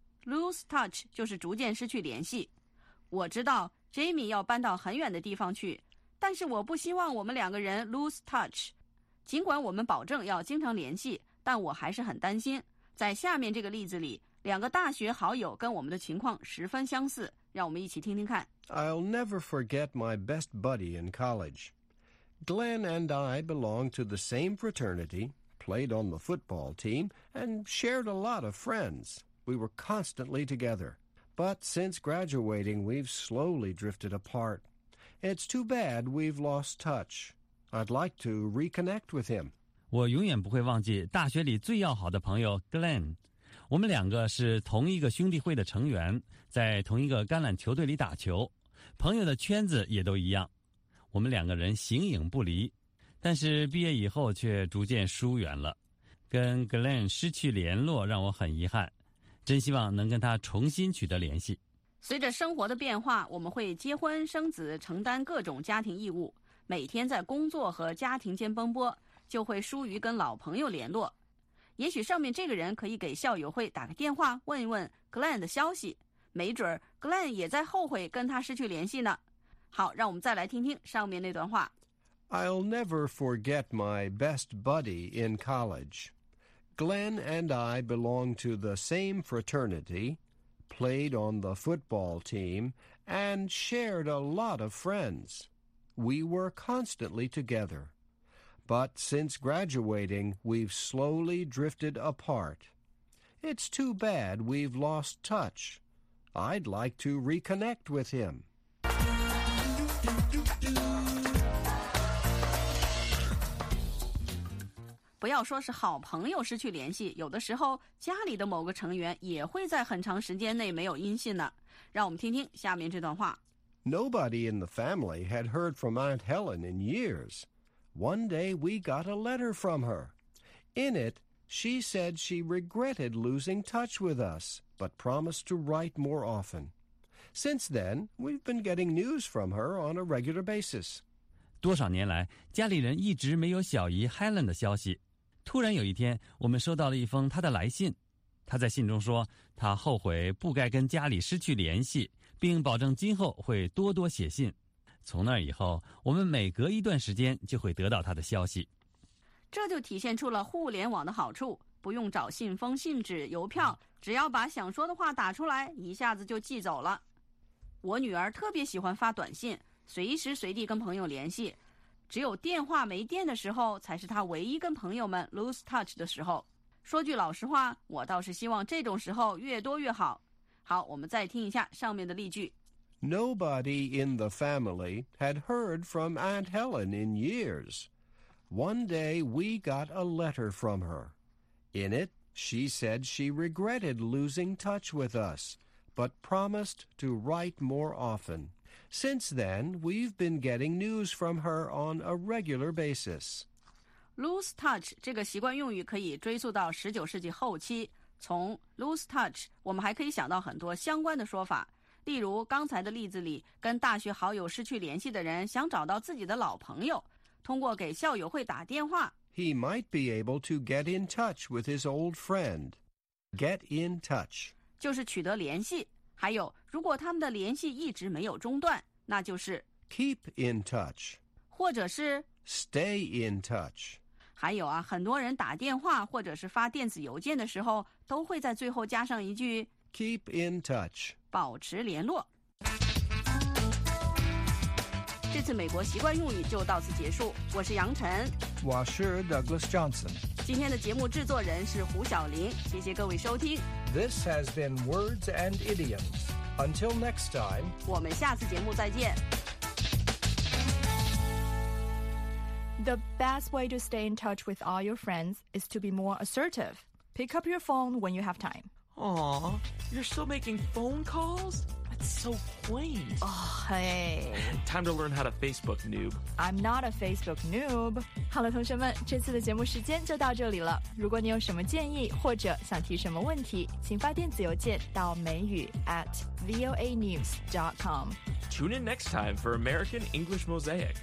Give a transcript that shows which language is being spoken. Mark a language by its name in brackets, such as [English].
[Chinese] lose touch 就是逐渐失去联系。我知道 Jamie 要搬到很远的地方去，但是我不希望我们两个人 lose touch。尽管我们保证要经常联系，但我还是很担心。在下面这个例子里，两个大学好友跟我们的情况十分相似，让我们一起听听看。 [English] I'll never forget my best buddy in college. Glenn and I belonged to the same fraternity, played on the football team, and shared a lot of friends. We were constantly together. But since graduating, we've slowly drifted apart. It's too bad we've lost touch. I'd like to reconnect with him. [Chinese] 我永远不会忘记大学里最要好的朋友 Glenn。我们两个是同一个兄弟会的成员，在同一个橄榄球队里打球，朋友的圈子也都一样，我们两个人形影不离，但是毕业以后却逐渐疏远了，跟 Glenn 失去联络让我很遗憾，真希望能跟他重新取得联系。随着生活的变化，我们会结婚生子，承担各种家庭义务，每天在工作和家庭间奔波，就会疏于跟老朋友联络。也许上面这个人可以给校友会打个电话，问一问 Glenn 的消息，没准 Glenn 也在后悔跟他失去联系呢。好，让我们再来听听上面那段话。 [English] I'll never forget my best buddy in college. Glenn and I belong to the same fraternity, played on the football team, and shared a lot of friends. We were constantly together. But since graduating, we've slowly drifted apart. It's too bad we've lost touch. I'd like to reconnect with him. [Chinese] 不要说是好朋友失去联系，有的时候家里的某个成员也会在很长时间内没有音信呢。让我们听听下面这段话。 [English] Nobody in the family had heard from Aunt Helen in years. One day we got a letter from her. In it, she said she regretted losing touch with us, but promised to write more often. Since then, we've been getting news from her on a regular basis. [Chinese] 多少年来，家里人一直没有小姨 Helen 的消息。突然有一天，我们收到了一封她的来信。她在信中说，她后悔不该跟家里失去联系，并保证今后会多多写信。从那以后，我们每隔一段时间就会得到他的消息。这就体现出了互联网的好处，不用找信封、信纸、邮票，只要把想说的话打出来，一下子就寄走了。我女儿特别喜欢发短信，随时随地跟朋友联系，只有电话没电的时候才是她唯一跟朋友们 lose touch 的时候。说句老实话，我倒是希望这种时候越多越好。好，我们再听一下上面的例句。 [English] Nobody in the family had heard from Aunt Helen in years. One day we got a letter from her. In it, she said she regretted losing touch with us, but promised to write more often. Since then, we've been getting news from her on a regular basis. [Chinese] Lose touch 这个习惯用语可以追溯到19世纪后期。从 lose touch, 我们还可以想到很多相关的说法。例如刚才的例子里，跟大学好友失去联系的人想找到自己的老朋友，通过给校友会打电话。 [English] He might be able to get in touch with his old friend. Get in touch. [Chinese] 就是取得联系。还有，如果他们的联系一直没有中断，那就是 [English] Keep in touch. [Chinese] 或者是 [English] Stay in touch. [Chinese] 还有啊，很多人打电话或者是发电子邮件的时候，都会在最后加上一句 [English] Keep in touch. [Chinese] 保持联络。这次美国习惯用语就到此结束。我是杨晨。我是 Douglas Johnson。今天的节目制作人是胡晓林。谢谢各位收听。 [English] This has been Words and Idioms. Until next time. [Chinese] 我们下次节目再见。 [English] The best way to stay in touch with all your friends is to be more assertive. Pick up your phone when you have time. Aw, you're still making phone calls? That's so quaint. Oh, hey. Time to learn how to Facebook noob. I'm not a Facebook noob. [Chinese] 好了，同学们，这次的节目时间就到这里了。如果你有什么建议或者想提什么问题，请发电子邮件到美语@voanews.com. [English] Tune in next time for American English Mosaic.